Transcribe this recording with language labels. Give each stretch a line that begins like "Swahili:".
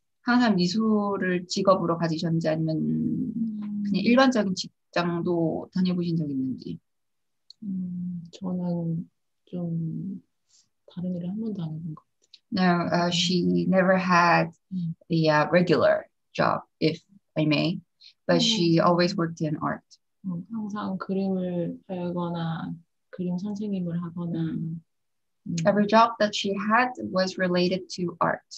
Korean: 항상 미술을 직업으로 가지셨는지 아니면 그냥 일반적인 직장도 다녀보신 적 있는지? 저는 좀 다른 일을 한 번도 안 해본 것 같아요.
English: No, she never had the regular job, if I may, but she always worked in art.
Korean: 항상 그림을 배우거나 그림 선생님을 하거나
English: Every job that she had was related to art.